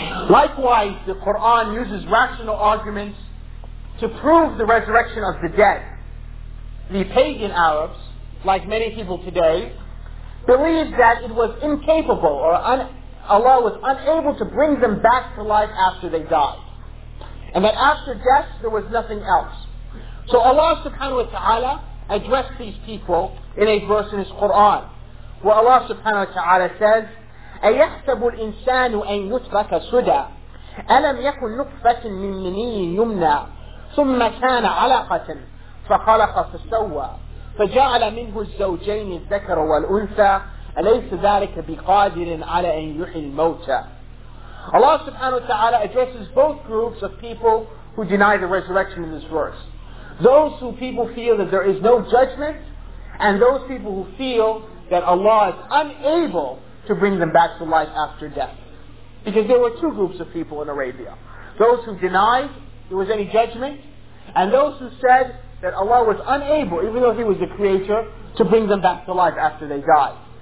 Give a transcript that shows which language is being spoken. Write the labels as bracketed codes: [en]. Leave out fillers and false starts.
[en] Likewise, the Qur'an uses rational arguments to prove the resurrection of the dead. The pagan Arabs, like many people today, believed that it was incapable, or Allah was unable to bring them back to life after they died. And that after death, there was nothing else. So Allah subhanahu wa ta'ala addressed these people in a verse in his Qur'an, where Allah subhanahu wa ta'ala says, [ar] أَيَحْسَبُ الْإِنسَانُ أَنْ يُتْرَكَ سُدَى أَلَمْ يَكُنْ نُطْفَةٍ مِنْ مَنِيٍّ يُمْنَى ثُمَّ كَانَ عَلَقَةً فَخَلَقَ فَسَوَّى فَجَعَلَ مِنْهُ الزَّوْجَيْنِ الذَّكَرَ وَالْأُنْثَى أَلَيْسَ ذَلِكَ بِقَادِرٍ عَلَى أَنْ يُحْيِيَ الْمَوْتَى. [en] Allah subhanahu wa ta'ala addresses both groups of people who deny the resurrection in this verse. Those who people feel that there is no judgment, and those people who feel that Allah is unable to bring them back to life after death. Because there were two groups of people in Arabia. Those who denied there was any judgment, and those who said that Allah was unable, even though He was the Creator, to bring them back to life after they died.